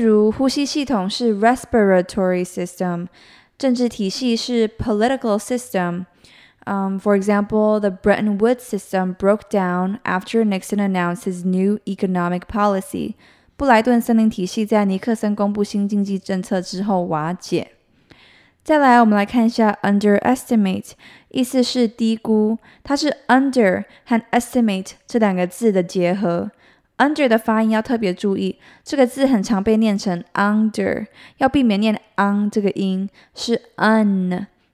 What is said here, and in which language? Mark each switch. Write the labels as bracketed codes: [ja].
[zh] 对犹太人的系统性迫害在希特勒掌权之后随即进行。那systematically来自于名词system，意思是系统。例如呼吸系统是 respiratory system， 政治体系是 political system. [en] For example, the Bretton Woods system broke down after Nixon announced his new economic policy. [zh] 布莱顿森林体系在尼克森公布新经济政策之后瓦解。再来，我们来看一下underestimate，意思是低估，它是under和estimate这两个字的结合。under的发音要特别注意，这个字很常被念成under，要避免念ang这个音，是un，under。